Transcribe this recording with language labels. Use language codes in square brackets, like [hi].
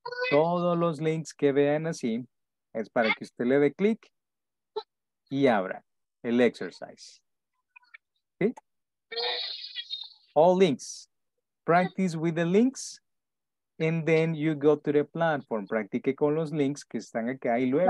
[es] Todos los links que vean así, es para que usted le dé clic y abra el exercise. [en] ¿Sí? All links. Practice with the links and then you go to the platform. [es] Practique con los links que están acá y luego